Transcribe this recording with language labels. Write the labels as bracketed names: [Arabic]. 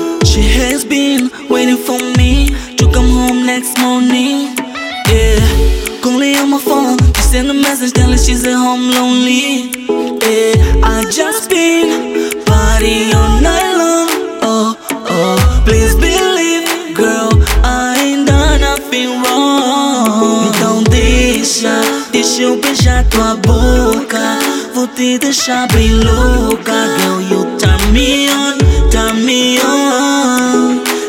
[English] She has been waiting for me to come home next morning. Yeah. Calling on my phone, she send a message telling she's at home lonely. Yeah, I just been partying all night long. Oh, oh, please believe, girl, I ain't done nothing wrong. [Portuguese] Então deixa eu beijar tua boca. Vou te deixar bem louca. [English] Girl, you turn me on, turn me on.